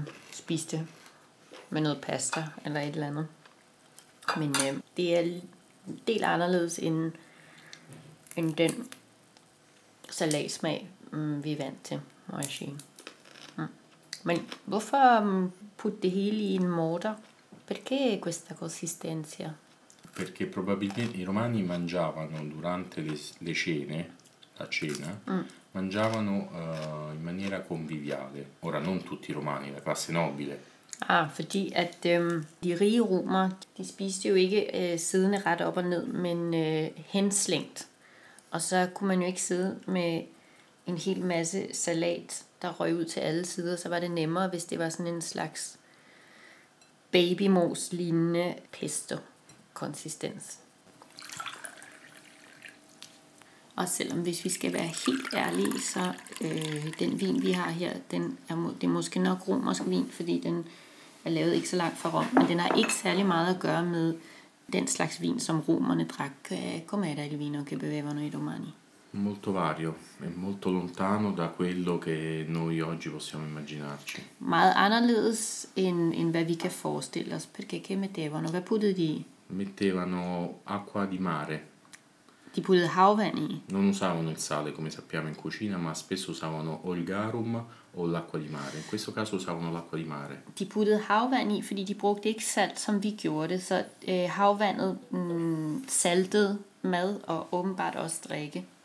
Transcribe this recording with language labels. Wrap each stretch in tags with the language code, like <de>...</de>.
<da>spise det med noget pasta eller et eller andet. Men det er en del anderledes end den salatsmag, vi er vant til, må jeg sige. Men hvorfor putte det hele i en mortar?</da> <it>Perché questa consistenza? Perché probabilmente i romani mangiavano durante le cene, la cena, mangiavano in maniera conviviale. Ora non tutti i romani, la classe nobile.</it> <da>Ah, fordi at de rige romere, de spiste jo ikke siddende ret op og ned, men henslængt. Og så kunne man jo ikke sidde med en hel masse salat, der røg ud til alle sider. Så var det nemmere, hvis det var sådan en slags babymos-lignende pesto-konsistens. Og selvom hvis vi skal være helt ærlige, så den vin, vi har her, det er måske nok romersk vin, fordi den er lavet ikke så langt fra Rom, men den har ikke særlig meget at gøre med den slags vin, som romerne drak.</da> <it>Com'è era il vino che bevevano i romani? Molto vario, è molto lontano da quello che noi oggi possiamo immaginarci.</it> <da>Meget anderledes end hvad vi kan forestille os.</da> <it>Perché che mettevano?</it> <da>Hvad puttede de i?</da> <it>Mettevano acqua di mare.</it> <da>De puttede havvand i?</da> <it>Non usavano il sale, come sappiamo in cucina, ma spesso usavano o il garum o l'acqua di mare. In questo caso usavano l'acqua di mare.</it> <da>De puttede havvand i, fordi de brugte ikke salt, som vi gjorde. Så havvandet saltede mad og åbenbart også drikke.</da>